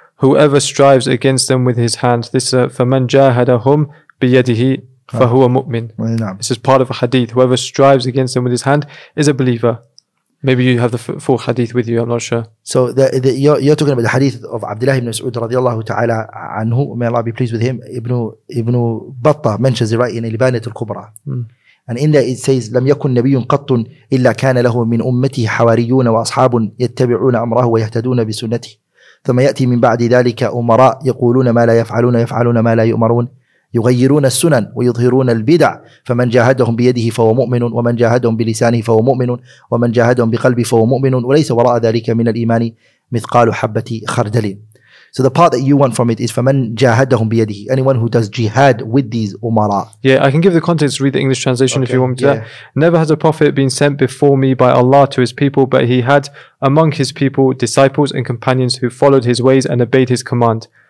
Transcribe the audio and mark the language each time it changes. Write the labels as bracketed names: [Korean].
[English] whoever strives against them with his hand. This is [Arabic] فَمَنْ جَاهَدَهُمْ بِيَدِهِ فَهُوَ مُؤْمِنٌ. [English] This is part of a hadith. Whoever strives against them with his hand is a believer. Maybe you have the full hadith with you, I'm not sure. So you're talking about the hadith of Abdullah ibn Mas'ud radiallahu ta'ala anhu, may Allah be pleased with him. Ibn Battah mentions it right in Al-Ibanat Al-Kubra. And in that it says, [Arabic] لَمْ يَكُنْ نَبِيٌ قَطٌّ إِلَّا كَانَ لَهُ مِنْ أُمَّتِهِ حَوَارِيُّونَ وَأَصْحَابٌ يَتَّبِعُونَ أَمْرَهُ وَيَهْتَدُونَ بِسُنَّتِهِ ثم يأتي من بعد ذلك أمراء يقولون ما لا يفعلون يفعلون ما لا يؤمرون يغيرون السنن ويظهرون البدع فمن جاهدهم بيده فهو مؤمن ومن جاهدهم بلسانه فهو مؤمن ومن جاهدهم بقلبه فهو مؤمن وليس وراء ذلك من الإيمان مثقال حبة خردل. [English] So the part that you want from it is [Arabic] فمن جاهدهم بيده, [English] anyone who does jihad with these umara. Yeah, I can give the context, read the English translation, okay, if you want me to. Yeah. Never has a prophet been sent before me by Allah to his people, but he had among his people disciples and companions who followed his ways and obeyed his command.